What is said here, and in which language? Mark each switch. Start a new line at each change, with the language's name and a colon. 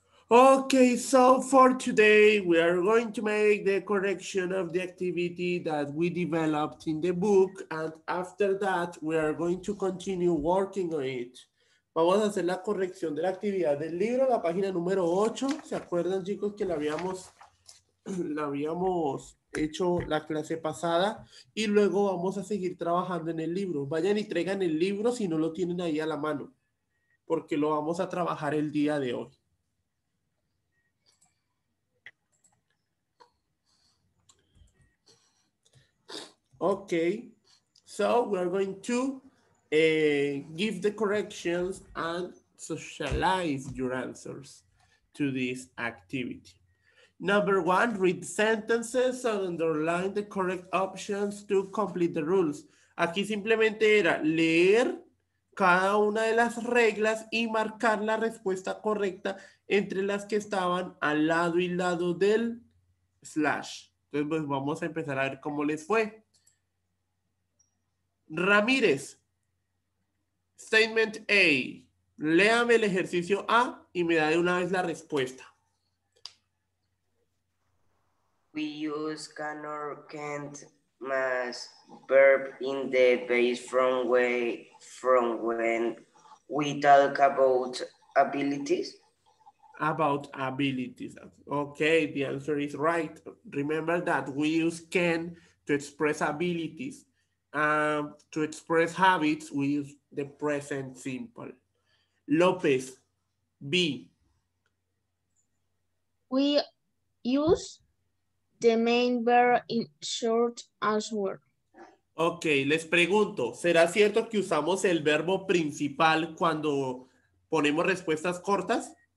English: Okay, so for today, we are going to make the correction of the activity that we developed in the book. And after that, we are going to continue working on it.
Spanish: Vamos a hacer la corrección de la actividad del libro, la página número 8. ¿Se acuerdan, chicos, que la habíamos hecho la clase pasada? Y luego vamos a seguir trabajando en el libro. Vayan y traigan el libro si no lo tienen ahí a la mano, porque lo vamos a trabajar el día de hoy.
English: Okay, so we're going to give the corrections and socialize your answers to this activity. Number one, read sentences and underline the correct options to complete the rules.
Spanish: Aquí simplemente era leer cada una de las reglas y marcar la respuesta correcta entre las que estaban al lado y lado del slash. Entonces, pues vamos a empezar a ver cómo les fue.
English: Ramírez. Statement A.
Spanish: Léame el ejercicio A y me da de una vez la respuesta.
English: We use can or can't must verb in the base from when we talk about abilities. About abilities. Okay, the answer is right. Remember that we use can to express abilities to express habits, we use the present simple. López, B. We use the main verb in short answer.
Spanish: Ok, les pregunto, ¿será cierto que usamos el verbo principal cuando ponemos respuestas cortas?